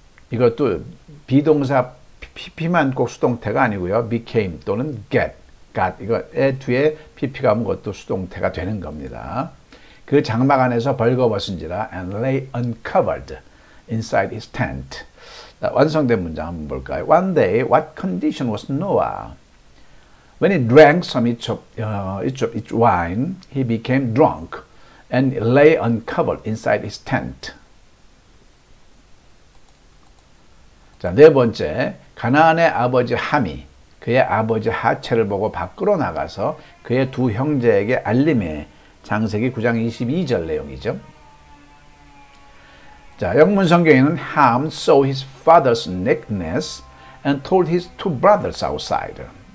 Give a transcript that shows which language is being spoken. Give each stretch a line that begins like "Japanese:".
Korean: 이것도 비동사 PP만 꼭 수동태가 아니고요. became 또는 get, got 이거의 뒤에 PP가 하면 그것도 수동태가 되는 겁니다. 그 장막 안에서 벌거벗은지라
English: and lay uncovered inside his tent.
Korean: 자, 완성된 문장 한번 볼까요?
English: One day, what condition was Noah? When he drank some each wine, he became drunk and lay uncovered inside his tent.
Korean: 자, 네 번째, 가나안의 아버지 함이 그의 아버지 하체를 보고 밖으로 나가서 그의 두 형제에게 알림해. 창세기 9장 22절 내용이죠. 자, 영문 성경에는
English: Ham saw his father's nakedness and told his two brothers outside.